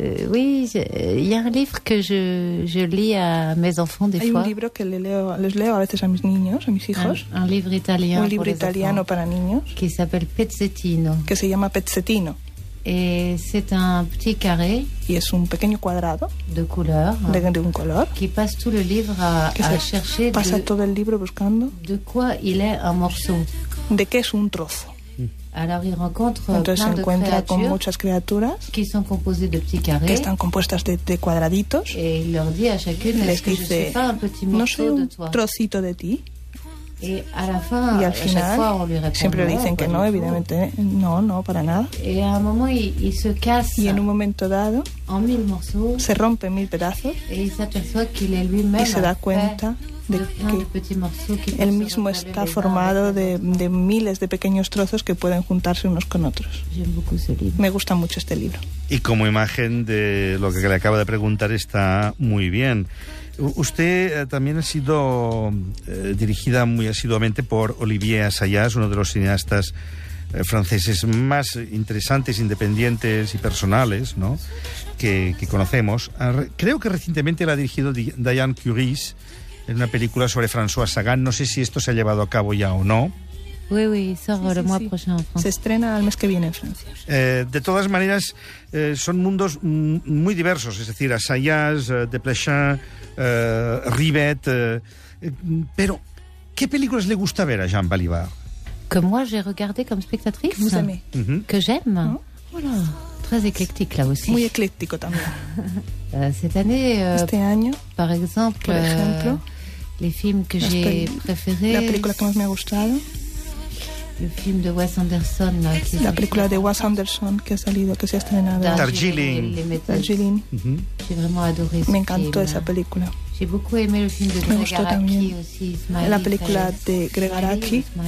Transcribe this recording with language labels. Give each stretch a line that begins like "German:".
French: Oui, il y a un livre que je lis à mes enfants des fois.
Spanish: Hay un libro que les leo a veces a mis niños, a mis hijos.
French: Un livre italien.
Spanish: Un libro italiano para niños.
French: Qui s'appelle Pezzettino.
Spanish: Que se llama Pezzettino.
French: Et c'est un petit carré.
Spanish: Y es un pequeño cuadrado.
French: De couleur.
Spanish: De un color.
French: Qui passe tout le livre à chercher.
Spanish: Pasa todo el libro buscando.
French: De quoi il est un morceau.
Spanish: De qué es un trozo.
French: Alors, il rencontre
Spanish: entonces
French: plein
Spanish: se encuentra
French: de
Spanish: con muchas criaturas
French: qui sont composées de petits carrés,
Spanish: que están compuestas de cuadraditos
French: et il leur dit à chacune,
Spanish: les dice
French: que je suis pas un petit morceau,
Spanish: no soy un
French: de toi.
Spanish: Trocito de ti
French: et à la fin,
Spanish: y al final
French: fois, on lui répond,
Spanish: siempre le dicen que no, evidentemente no, para nada
French: et à un moment, il se casse,
Spanish: y en un momento dado
French: en mille morceaux,
Spanish: se rompe en mil pedazos
French: et il s'aperçoit qu'il est lui-même
Spanish: y se da cuenta de que él mismo está formado de miles de pequeños trozos que pueden juntarse unos con otros. Me gusta mucho este libro. Y como imagen de lo que le acabo de preguntar está muy bien. Usted también ha sido dirigida muy asiduamente por Olivier Assayas, uno de los cineastas franceses más interesantes, independientes y personales, ¿no?, que conocemos. Creo que recientemente la ha dirigido Diane Curis, en una película sobre François Sagan. No sé si esto se ha llevado a cabo ya o no. Se estrena el mes que viene en Francia. De todas maneras, son mundos muy diversos, es decir, Assayas, Desplechin, Rivet. Pero, ¿qué películas le gusta ver a Jean Balibar?
French: Que moi j'ai regardé comme spectatrice. Que vous aimez. Mm-hmm. Que j'aime.
Spanish: No?
French: Voilà. Très éclectique là aussi.
Spanish: Muy ecléctico también.
French: Cette année,
Spanish: este año, por ejemplo,
French: les films que j'ai préférés,
Spanish: la película que más me ha gustado,
French: le film de Wes Anderson,
Spanish: la película de Wes Anderson que ha salido, que se ha estrenado, Darjeeling.
French: Mm-hmm. J'ai vraiment adoré.
Spanish: Me encantó esa película.
French: J'ai beaucoup aimé le film de Greg Araki aussi,
Spanish: la película de Greg Araki,